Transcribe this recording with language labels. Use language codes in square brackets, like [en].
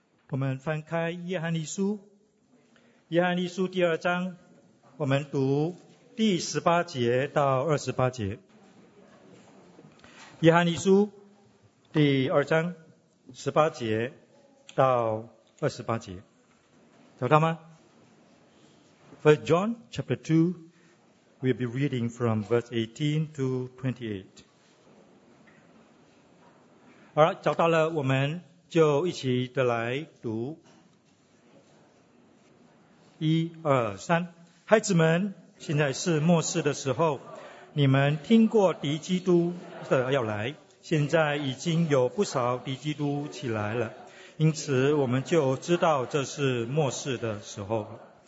[zh] 我们翻开约翰一书，约翰一书第二章，我们读第十八节到二十八节。约翰一书第二章十八节到二十八节，找到吗？ [en] First John chapter 2, we'll be reading from verse 18 to 28. [zh] 好了，找到了，我们就一起的来读。一、二、三，孩子们，现在是末世的时候，你们听过敌基督的要来，现在已经有不少敌基督起来了，因此我们就知道这是末世的时候了。